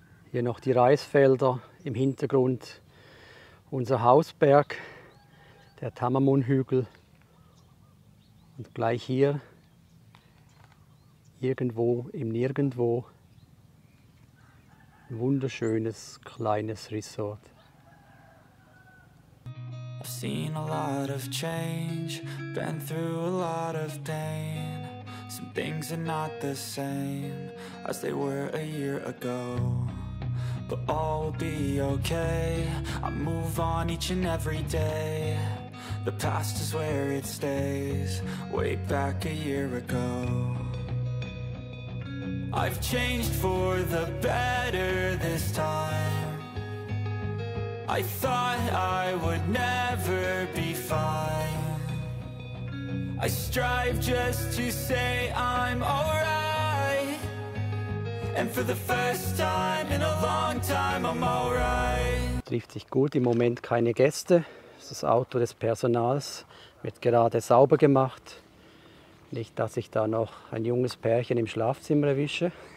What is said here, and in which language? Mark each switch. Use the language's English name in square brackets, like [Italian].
[German] Hier noch die Reisfelder im Hintergrund, unser Hausberg, der Tamamun-Hügel. Und gleich hier, irgendwo im Nirgendwo, ein wunderschönes kleines Resort. [English] I've seen a lot of change, been through a lot of pain. Some things are not the same as they were a year ago. But all will be okay, I move on each and every day. The past is where it stays, way back a year ago. I've changed for the better this time. I thought I would never be fine. I strive just to say I'm alright. And for the first time in a long time I'm alright. [German] Trifft sich gut, im Moment keine Gäste. Das Auto des Personals wird gerade sauber gemacht. Nicht, dass ich da noch ein junges Pärchen im Schlafzimmer erwische.